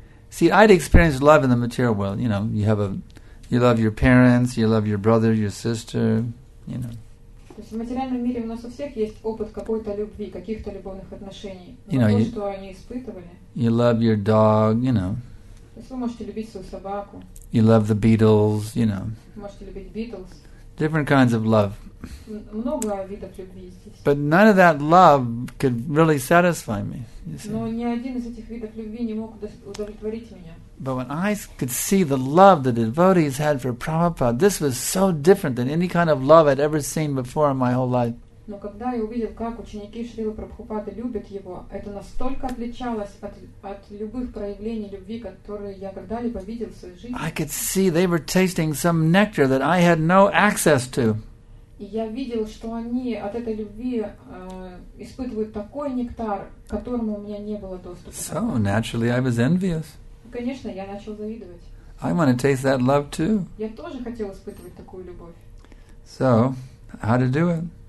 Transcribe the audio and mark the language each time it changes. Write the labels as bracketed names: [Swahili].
[English] See, I'd experienced love in the material world. You know, you love your parents, you love your brother, your sister, you know. [Russian] То есть в материальном мире у нас у всех есть опыт какой-то любви, каких-то любовных отношений. Но то, что они испытывали. [English] You love your dog, you know. [Russian] То есть вы можете любить свою собаку. [English] You love the Beatles, you know. [Russian] Можете любить Beatles. [English] Different kinds of love. [Russian] Много видов любви здесь. [English] But none of that love could really satisfy me. [Russian] Но ни один из этих видов любви не мог удовлетворить меня. [English] But when I could see the love the devotees had for Prabhupada, this was so different than any kind of love I'd ever seen before in my whole life. [Russian] Но когда я увидел, как ученики Шрилы Прабхупады любят его, это настолько отличалось от любых проявлений любви, которые я когда-либо видел в своей жизни. [English] I could see they were tasting some nectar that I had no access to. [Russian] И я видел, что они от этой любви испытывают такой нектар, к которому у меня не было доступа. [English] So naturally I was envious. [Russian] Конечно, я начал завидовать. [English] I want to taste that love too. [Russian] Я тоже хотел испытывать такую любовь. [English] So, how to do it?